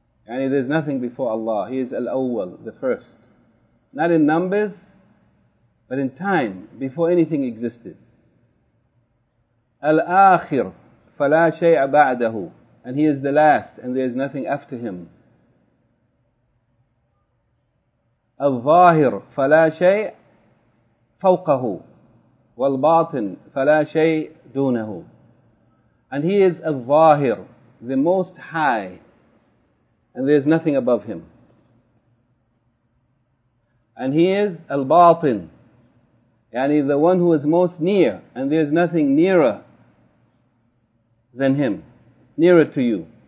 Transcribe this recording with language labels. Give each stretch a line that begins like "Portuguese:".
English: Yani there is nothing before Allah. He is al-awwal, the first. Not in numbers, but in time, before anything existed.
Arabic: Al-akhir fala shay'a ba'dahu.
English: And he is the last, and there is nothing after him.
Arabic: الظاهر فلا شيء فوقه والباطن فلا شيء دونه.
English: And he is الظاهر, the most high, and there is nothing above him. And he is الباطن, يعني the one who is most near, and there is nothing nearer than him, nearer to you.